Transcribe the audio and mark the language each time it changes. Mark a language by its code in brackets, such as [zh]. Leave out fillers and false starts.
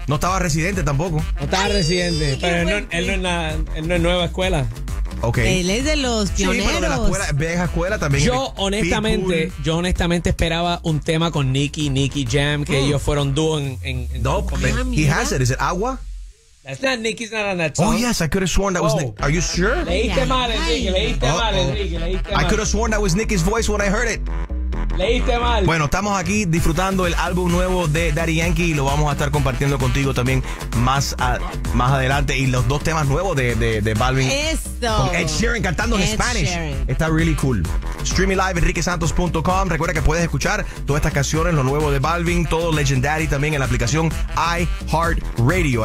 [es] No estaba Residente tampoco. No estaba Residente, pero él no es nueva escuela. [en] Okay. [es] Él es de los pioneros. Sí, pero de la escuela, vieja escuela también. Yo honestamente esperaba un tema con Nicki Jam, que ellos fueron dúo en [en] Dope. He has it. Is it Agua? That's not Nicki's, not on that song. Oh yes, I could have sworn that was Nicki. Are you sure? [es] Leíste mal, Enrique. [en] I could have sworn that was Nicki's voice when I heard it. [es] Leíste mal. Bueno, estamos aquí disfrutando el álbum nuevo de Daddy Yankee y lo vamos a estar compartiendo contigo también más adelante. Y los dos temas nuevos de Balvin. Esto. Con Ed Sheeran cantando en Spanish. Sharon. Está [en] really cool. Streaming live, [es] enriquesantos.com. Recuerda que puedes escuchar todas estas canciones, lo nuevo de Balvin, todo Legendary también en la aplicación iHeartRadio.